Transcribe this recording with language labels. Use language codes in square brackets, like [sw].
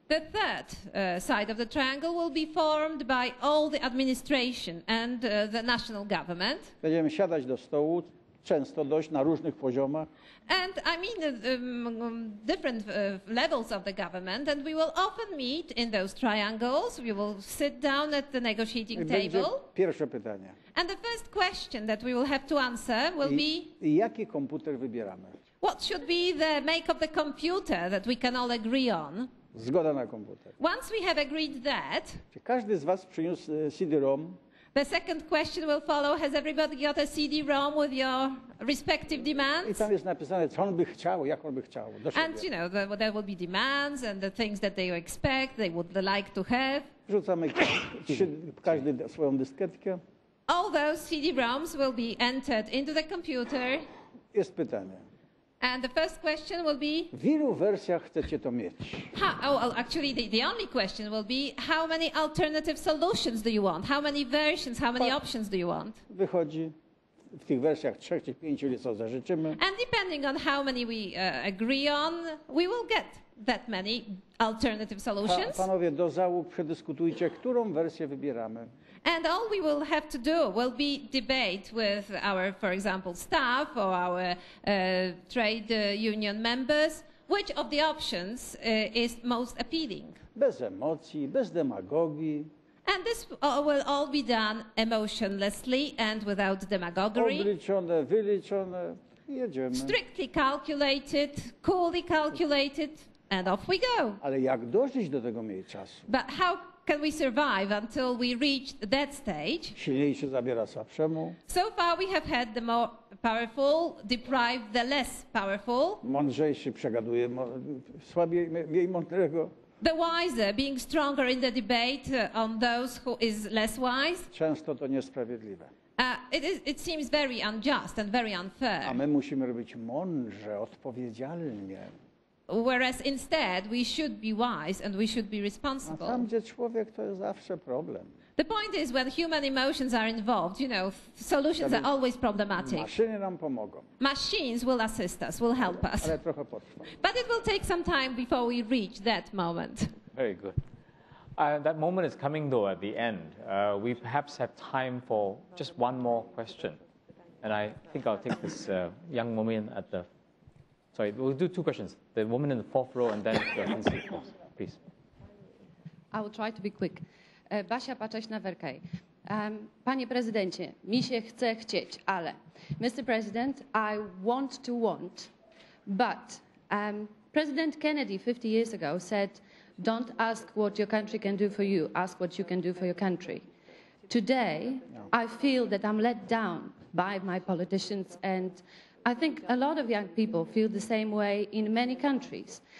[en] The third side of the triangle will be formed by all the administration and the national government. [pl] Będziemy siadać do stołu, często dość na różnych poziomach. [en] And I mean different levels of the government, and we will often meet in those triangles. We will sit down at the negotiating table. [pl] Pierwsze pytanie. [en] And the first question that we will have to answer will be. [pl] I jaki komputer wybieramy? [en] What should be the make of the computer that we can all agree on? [pl] Zgoda na komputer. [en] Once we have agreed that, [pl] czy każdy z was przyniósł CD-ROM? [en] The second question will follow. Has everybody got a CD-ROM with your respective demands? [pl] I tam jest napisane, co on by chciał, jak on by chciał. Do siebie. [en] And you know, there will be demands and the things that they expect, they would like to have. [pl] Rzucamy każdy swoją dyskietkę. [en] All those CD-ROMs will be entered into the computer. [pl] Jest pytanie. [en] And the first question will be, [pl] w ilu wersjach chcecie to mieć? [en] Actually, the only question will be, how many alternative solutions do you want? How many versions, how many options do you want? [pl] Wychodzi w tych wersjach 3 czy 5, co zażyczymy. [en] And depending on how many we agree on, we will get that many alternative solutions. [pl] Panowie, do załóg przedyskutujcie, którą wersję wybieramy. [en] And all we will have to do will be debate with our, for example, staff or our trade union members, which of the options is most appealing. [pl] Bez emocji, bez demagogii. [en] And this will all be done emotionlessly and without demagoguery. [pl] Obliczone, wyliczone, jedziemy. [en] Strictly calculated, coolly calculated, and off we go. [pl] Ale jak dożyć do tego mniej czasu? [en] But how can we survive until we reach that stage? [pl] Silniejszy zabiera słabszemu. [en] So far we have had the more powerful deprive the less powerful. [pl] Mądrzejszy przegaduje słabiej, mniej mądrego. [en] The wiser being stronger in the debate on those who is less wise. [pl] Często to niesprawiedliwe. [en] It seems very unjust and very unfair. [pl] A my musimy robić mądrze, odpowiedzialnie. [en] Whereas instead we should be wise and we should be responsible. [pl] A tam, gdzie człowiek, to jest zawsze problem. [en] The point is when human emotions are involved, you know, solutions are always problematic. [pl] Maszyny nam pomogą. [en] Machines will assist us, will help us. [pl] Ale trochę potrwa. [en] But it will take some time before we reach that moment. Very good. That moment is coming though at the end. We perhaps have time for just one more question. And I think I'll take this young woman at the... Sorry, we'll do two questions. The woman in the fourth row and then the MC, please. I will try to be quick. Basia Pacześ na Werkej. [pl] Panie prezydencie, mi się chce chcieć, ale... [en] Mr. President, I want to want, but President Kennedy 50 years ago said, don't ask what your country can do for you, ask what you can do for your country. Today, I feel that I'm let down by my politicians, and I think a lot of young people feel the same way in many countries.